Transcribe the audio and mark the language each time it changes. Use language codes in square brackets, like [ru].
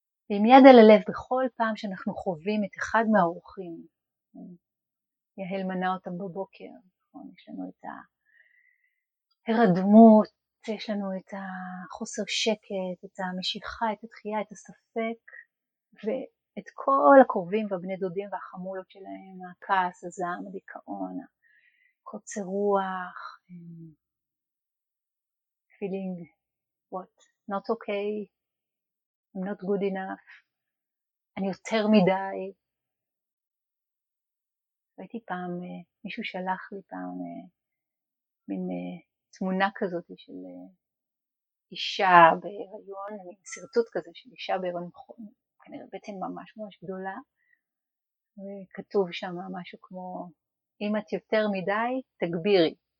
[he] ועם יד על הלב, בכל פעם שאנחנו חווים את אחד מהאורחים, יהל מנה אותם בבוקר, יש לנו את ההרדמות, יש לנו את החוסר שקט, את המשיכה, את התחייה, את הספק, ואת כל הקרובים והבני דודים והחמולות שלהם, הכעס, הזעם, הדיכאון, קוצר רוח, [en] feeling what? Not okay, I'm not good enough, [he] אני יותר מדי. ראיתי פעם, מישהו שלח לי פעם, מין תמונה כזאת של אישה בהיריון, מין סרטוט כזה של אישה בהיריון, כנראה בטן ממש ממש גדולה, וכתוב שם משהו כמו, אם את יותר מדי, תגבירי.